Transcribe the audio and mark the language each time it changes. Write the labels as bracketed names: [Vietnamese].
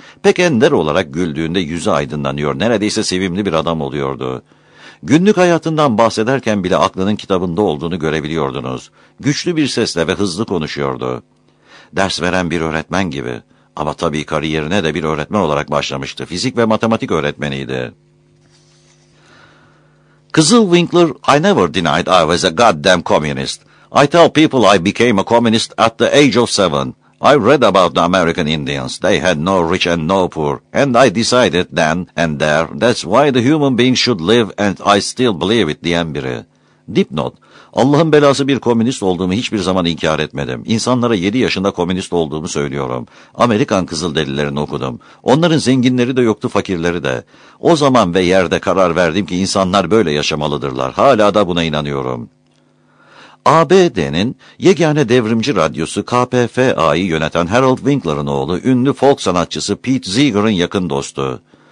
[Turkish] Pek ender olarak güldüğünde yüzü aydınlanıyor, neredeyse sevimli bir adam oluyordu. Günlük hayatından bahsederken bile aklının kitabında olduğunu görebiliyordunuz. Güçlü bir sesle ve hızlı konuşuyordu. Ders veren bir öğretmen gibi. Ama tabii kariyerine de bir öğretmen olarak başlamıştı. Fizik ve matematik öğretmeniydi. [English] Kızıl Winkler, "I never denied I was a goddamn communist. I tell people I became a communist at the age of 7. I read about the American Indians. They had no rich and no poor. And I decided then and there that's why the human being should live and I still believe it" [Turkish] diyen biri. Dipnot, Allah'ın belası bir komünist olduğumu hiçbir zaman inkar etmedim. İnsanlara 7 yaşında komünist olduğumu söylüyorum. Amerikan Kızılderililerini okudum. Onların zenginleri de yoktu, fakirleri de. O zaman ve yerde karar verdim ki insanlar böyle yaşamalıdırlar. Hala da buna inanıyorum. ABD'nin yegane devrimci radyosu KPFA'yı yöneten Harold Winkler'ın oğlu, ünlü folk sanatçısı Pete Seeger'ın yakın dostu.